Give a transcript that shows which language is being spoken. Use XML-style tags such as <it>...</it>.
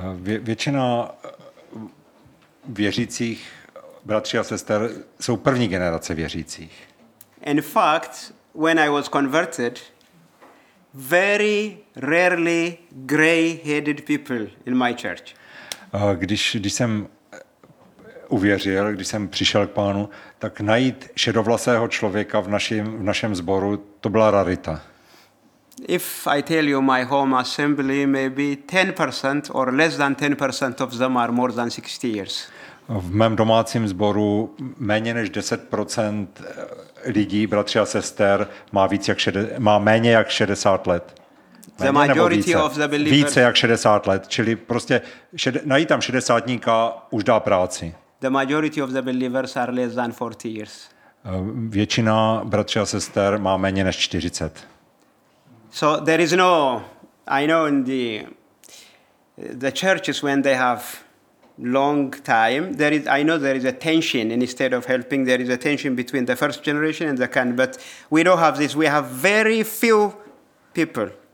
<cs>Většina věřících bratří a sester jsou první generace věřících.</cs> <en>In fact, when I was converted, very rarely gray-headed people in my church.</en> <cs>Když jsem uvěřil, když jsem přišel k pánu, tak najít šedovlasého člověka v našem sboru, to byla rarita.</cs> <en>If I tell you my home assembly, maybe 10% or less than 10% of them are more than 60 years.</en> <cs>V mém domácím sboru méně než 10% lidí, bratři a sester, má víc jak má méně jak 60 let.</cs> <en>The majority of the believers.</en> <cs>Více jak 60 let, čili prostě najít tam 60tníka už dá práci.</cs> <en>The majority of the believers are less than 40 years.</en> <cs>Většina bratří a sester má méně než 40.</cs> <en>So there is no, I know in the churches when they have long time, there is a tension instead of helping, there is a tension between the first generation and the current, but we don't have this, we have very few people.</en>